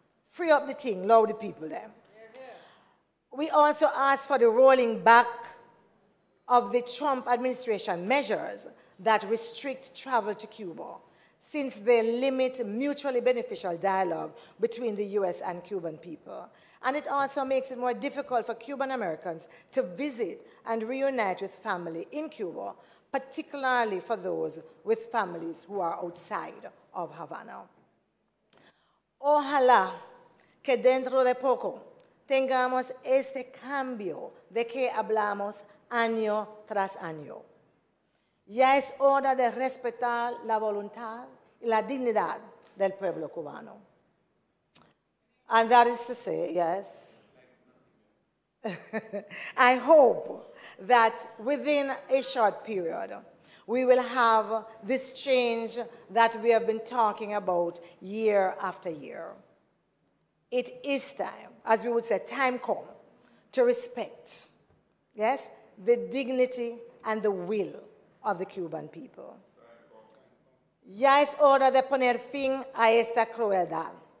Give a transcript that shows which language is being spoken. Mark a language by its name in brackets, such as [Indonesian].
[English] Free up the thing, love the people there. We also ask for the rolling back of the Trump administration measures that restrict travel to Cuba, since they limit mutually beneficial dialogue between the US and Cuban people. And it also makes it more difficult for Cuban Americans to visit and reunite with family in Cuba, particularly for those with families who are outside of Havana. [Spanish] Ojalá que dentro de poco tengamos este cambio de que hablamos año tras año. Ya es hora de respetar la voluntad y la dignidad del pueblo cubano. [English] And that is to say, yes, I hope that within a short period, we will have this change that we have been talking about year after year. It is time, as we would say, time come to respect, yes, the dignity and the will of the Cuban people. [Spanish] Ya es hora de poner fin a esta crueldad.